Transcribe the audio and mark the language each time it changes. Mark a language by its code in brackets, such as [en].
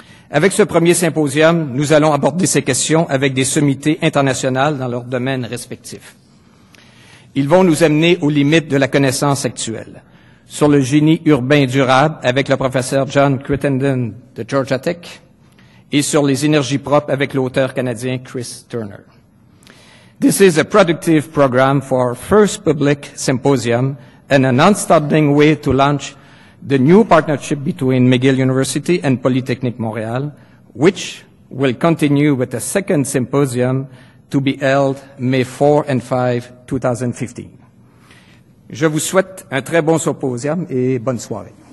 [fr] Avec ce premier symposium, nous allons aborder ces questions avec des sommités internationales dans leurs domaines respectifs. Ils vont nous amener aux limites de la connaissance actuelle sur le génie urbain durable avec le professeur John Crittenden de Georgia Tech et sur les énergies propres avec l'auteur canadien Chris Turner. [en] This is a productive program for our first public symposium and an outstanding way to launch the new partnership between McGill University and Polytechnique Montréal, which will continue with a second symposium to be held May 4 and 5, 2015. [fr] Je vous souhaite un très bon symposium et bonne soirée.